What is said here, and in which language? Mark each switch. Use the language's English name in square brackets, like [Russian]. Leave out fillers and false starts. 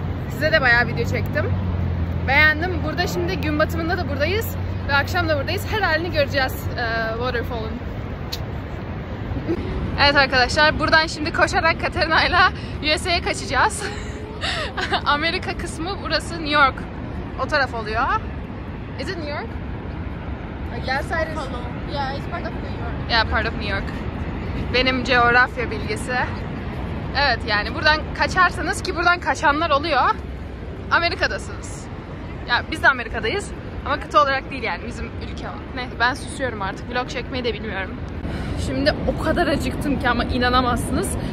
[Turkish] Size de bayağı video çektim. Beğendim. Burada şimdi gün batımında da buradayız. Ve akşam da buradayız. Her halini göreceğiz waterfall'ın. Evet arkadaşlar, buradan şimdi koşarak Katerina'yla USA'ya kaçacağız. Amerika kısmı burası, New York. O taraf oluyor. [English] Is it New York? Yeah, it's part of New York. Yeah, part of New York. [Turkish] Benim coğrafya bilgisi. Evet, yani buradan kaçarsanız, ki buradan kaçanlar oluyor, Amerika'dasınız. Ya yani biz de Amerika'dayız. Ama kıta olarak değil yani, bizim ülke var. Neyse, ben susuyorum artık. Vlog çekmeyi de bilmiyorum. Şimdi o kadar acıktım ki ama inanamazsınız.